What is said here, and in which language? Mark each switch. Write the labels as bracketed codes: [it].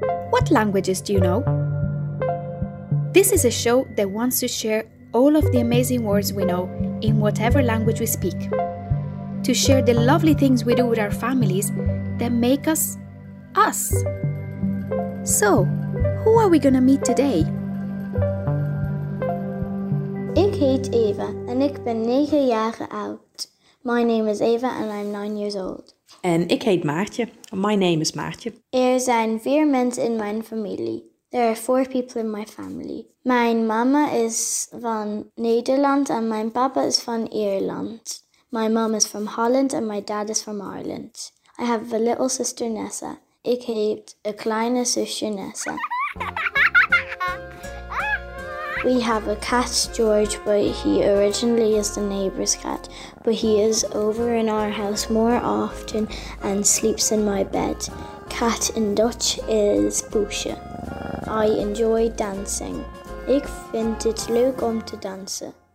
[en] What languages do you know? This is a show that wants to share all of the amazing words we know in whatever language we speak. To share the lovely things we do with our families that make us us. So, who are we gonna meet today? [nl] Ik heet Eva en ik ben 9 jaar oud. [en] My name is Eva and I'm 9 years old. [nl] En ik heet Maartje. [en] My name is Maartje. [nl] Er zijn 4 mensen in mijn familie. [en] There are 4 people in my family. [nl] Mijn mama is van Nederland en mijn papa is van Ierland. [en] My mom is from Holland and my dad is from Ireland. I have a little sister Nessa. [nl] Ik heet a kleine zusje Nessa. [en] We have a cat, George, but he originally is the neighbor's cat. But he is over in our house more often and sleeps in my bed. Cat in Dutch is poesje. I enjoy dancing. [nl] Ik vind het leuk om te dansen.